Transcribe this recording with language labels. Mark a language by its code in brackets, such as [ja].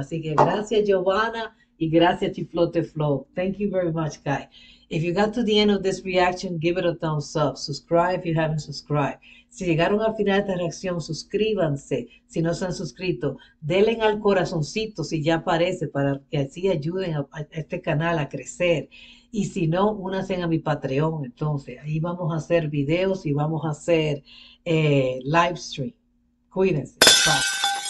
[es] Así que gracias, Giovanna, y gracias, Chiflote Flow. [en] Thank you very much, guys. If you got to the end of this reaction, give it a thumbs up. Subscribe if you haven't subscribed. [es] Si llegaron al final de esta reacción, suscríbanse. Si no se han suscrito, denle al corazoncito si ya aparece para que así ayuden a este canal a crecer. Y si no, únanse a mi Patreon. Entonces, ahí vamos a hacer videos y vamos a hacer live stream. Cuídense. Bye.